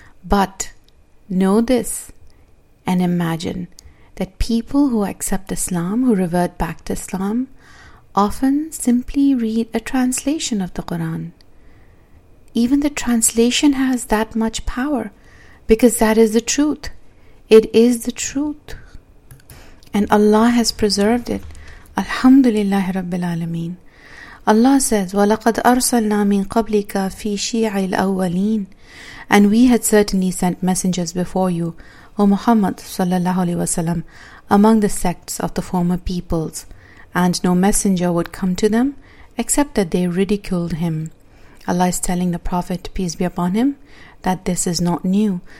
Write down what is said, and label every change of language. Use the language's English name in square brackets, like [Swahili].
[English] But know this and imagine that people who accept Islam, who revert back to Islam, often simply read a translation of the Quran. Even the translation has that much power, because that is the truth. It is the truth. And Allah has preserved it. [Arabic] Alhamdulillah Rabbil Alameen. [English] Allah says, [Arabic] وَلَقَدْ أَرْسَلْنَا مِنْ قَبْلِكَ فِي شِيعِ الْأَوَّلِينَ. [English] And we had certainly sent messengers before you, O Muhammad sallallahu alaihi wasallam, among the sects of the former peoples. And no messenger would come to them, except that they ridiculed him. Allah is telling the Prophet, peace be upon him, that this is not new.